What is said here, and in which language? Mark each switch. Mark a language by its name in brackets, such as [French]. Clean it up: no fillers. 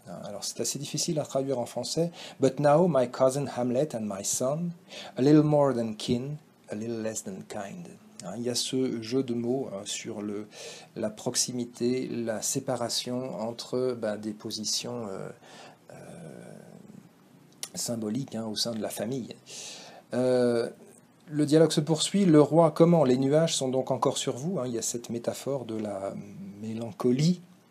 [French] Alors, c'est assez difficile à traduire en français. [English] But now, my cousin Hamlet and my son, a little more than kin, a little less than kind. [French] Il y a ce jeu de mots sur la proximité, la séparation entre des positions symboliques au sein de la famille. Le dialogue se poursuit. Le roi, comment? Les nuages sont donc encore sur vous. Il y a cette métaphore de la mélancolie.